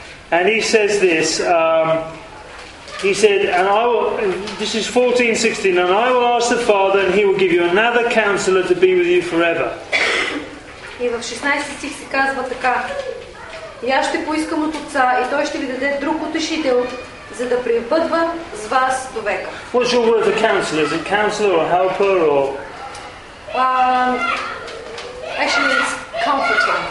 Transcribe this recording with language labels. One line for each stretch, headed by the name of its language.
English: And he says this, he said, and I will, this is 14:16, and I will ask the Father and he will give you another counselor to be with you forever.
Bulgarian: И в 16 стих се казва така, и аз ще поискам от Отца и той ще ви даде друг утешител, за да пребъдва с вас до века.
English: What's your word for counselor? Is it counselor or helper or? Actually it's comforter.